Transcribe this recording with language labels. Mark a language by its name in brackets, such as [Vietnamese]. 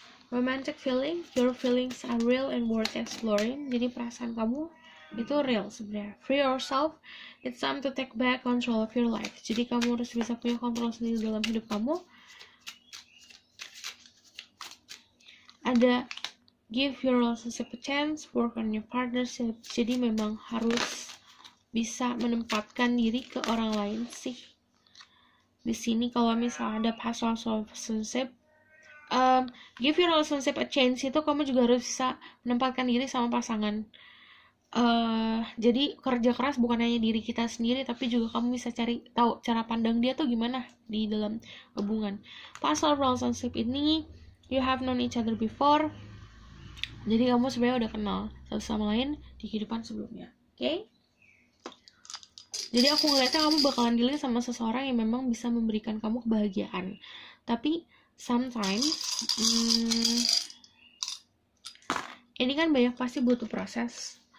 [English] Romantic feeling, your feelings are real and worth exploring. [Indonesian] Jadi perasaan kamu itu real sebenarnya. [English] Free yourself, it's time to take back control of your life. [Indonesian] Jadi kamu harus bisa punya kontrol sendiri dalam hidup kamu. [English] ada give your relationship a chance, work on your partnership. [Indonesian] Jadi memang harus bisa menempatkan diri ke orang lain sih. Di sini kalau misal ada pasal soal relationship, [English] give your relationship a chance [Indonesian] itu kamu juga harus bisa menempatkan diri sama pasangan. Jadi kerja keras bukan hanya diri kita sendiri, tapi juga kamu bisa cari tahu cara pandang dia tuh gimana di dalam hubungan. [English] Pas relationship ini, you have known each other before. [Indonesian] Jadi kamu sebenarnya udah kenal satu sama lain di kehidupan sebelumnya, oke? Jadi aku ngeliatnya kamu bakalan dealing sama seseorang yang memang bisa memberikan kamu kebahagiaan. Tapi sometimes, ini kan banyak pasti butuh proses.